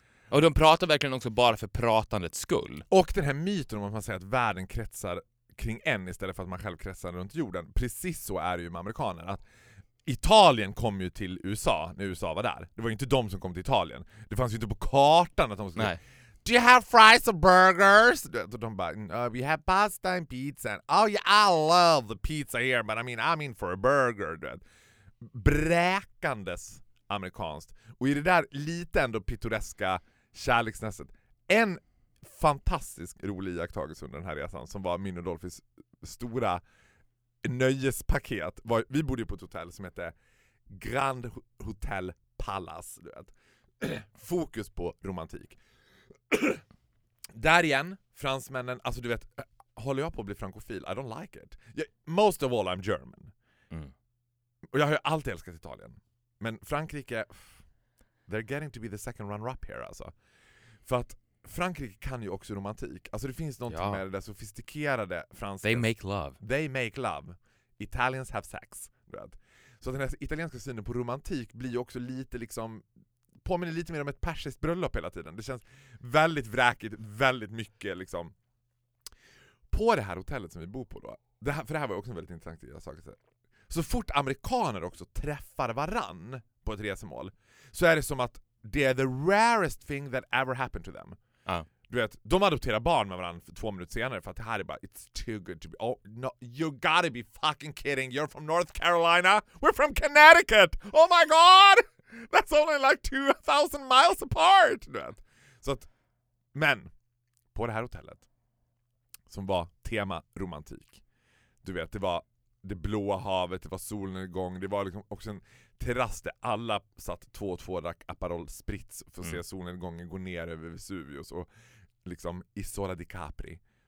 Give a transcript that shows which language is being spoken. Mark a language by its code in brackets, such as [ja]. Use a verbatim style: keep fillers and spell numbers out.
[sv] Och de pratar verkligen också bara för pratandets skull. Och den här myten om att man säger att världen kretsar kring en istället för att man själv kretsar runt jorden. Precis så är det ju med amerikaner. Att Italien kom ju till U S A när U S A var där. Det var ju inte de som kom till Italien. Det fanns ju inte på kartan att de skulle... Nej. [en] Do you have fries or burgers? [sv] De bara, [en] uh, we have pasta and pizza. And, oh yeah, I love the pizza here, but I mean, I'm in for a burger. [sv] Bräkandes amerikanskt. Och i det där lite ändå pittoreska kärleksnästet. En fantastisk rolig iakttagelse under den här resan som var min och Dolphys stora nöjespaket. Vi bodde på ett hotell som hette Grand Hotel Palace. Du vet. Fokus på romantik. Där igen, fransmännen, alltså du vet, håller jag på att bli frankofil? [en] I don't like it. Jag, most of all I'm German. Mm. [sv] Och jag har ju alltid älskat Italien. Men Frankrike, [en] they're getting to be the second runner-up here [sv] alltså. För att Frankrike kan ju också romantik. Alltså det finns någonting ja. med det där sofistikerade franska. [en] They make love. They make love. Italians have sex. Vet. [sv] Så den här italienska synen på romantik blir ju också lite liksom... påminner lite mer om ett persiskt bröllop hela tiden. Det känns väldigt vräkigt, väldigt mycket liksom. På det här hotellet som vi bor på då, det här, för det här var också en väldigt intressant sak. Så fort amerikaner också träffar varann på ett resemål så är det som att det är [en] the rarest thing that ever happened to them. Ah. [sv] Du vet, de adopterar barn med varandra för två minuter senare för att det här är bara [en] it's too good to be. Oh no, you gotta be fucking kidding. You're from North Carolina. We're from Connecticut. Oh my god! That's only like two thousand miles apart. [sv] Du vet. Så att, men på det här hotellet som var tema romantik. Du vet, det var det blåa havet, det var solnedgång, det var liksom också en terrass där alla satt två och två drack Aperol Spritz för att mm. se solnedgången gå ner över Vesuvius och liksom Isola di Capri.